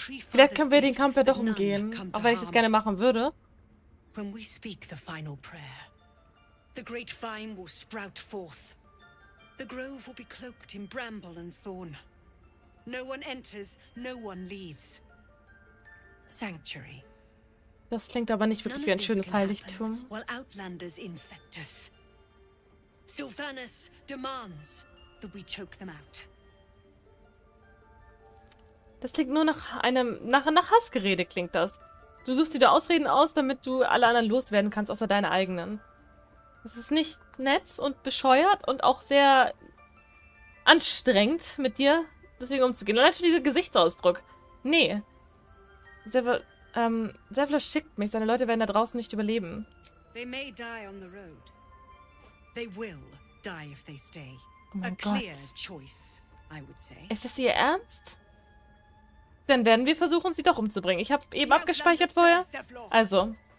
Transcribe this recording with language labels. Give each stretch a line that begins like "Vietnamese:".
German: Vielleicht können wir den Kampf ja doch umgehen, auch wenn ich das gerne machen würde.
English: When we speak the final prayer, the great vine will sprout forth. The grove will be cloaked in bramble and thorn. No one enters, no one leaves. Sanctuary.
German: Das klingt aber nicht wirklich wie ein schönes Heiligtum.
English: While Outlanders infect us. Sylvanas demands that we choke them out.
German: Das klingt nur nach einem nach Hassgerede klingt das. Du suchst dir da Ausreden aus, damit du alle anderen loswerden kannst, außer deine eigenen. Das ist nicht nett und bescheuert und auch sehr anstrengend mit dir, deswegen umzugehen. Und natürlich dieser Gesichtsausdruck. Nee. Zevlo schickt mich. Seine Leute werden da draußen nicht überleben.
English: They may die on the road. They will die if they stay.
German: Oh mein Gott.
English: Clear choice, I would say.
German: Ist das ihr Ernst? Dann werden wir versuchen, sie doch umzubringen. Ich habe eben abgespeichert vorher. Also.